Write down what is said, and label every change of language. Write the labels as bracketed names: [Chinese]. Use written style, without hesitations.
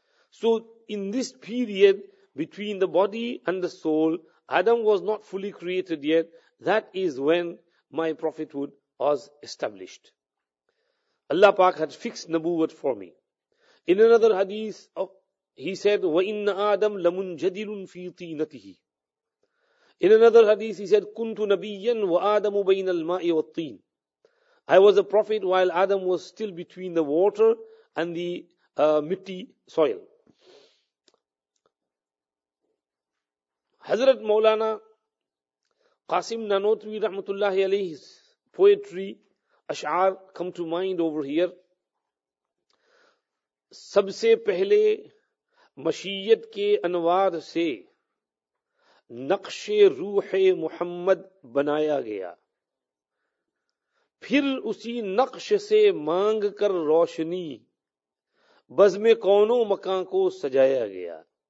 [English] So in this period between the body and the soul, Adam was not fully created yet. That is when my prophethood was established. Allah Pak had fixed Nabuwat for me. In another hadith, he said, [Arabic] وَإِنَّ آدَمْ لَمُنْجَدِلٌ فِي طِينَتِهِ. [English] In another hadith, he said, [Arabic] كُنْتُ نَبِيًّا وَآدَمُ بَيْنَ الْمَاءِ وَالطِّينَ. [English] I was a prophet while Adam was still between the water and the mitti soil. Hazrat Maulana Qasim Nanotvi Rahmatullahi Alayhi's poetry, Ash'ar, come to mind over here. [Urdu] سب سے پہلے مشیت کے انوار سے نقش روح محمد بنایا گیا، پھر اسی نقش سے مانگ کر روشنی بزم کونوں مکان کو سجایا گیا.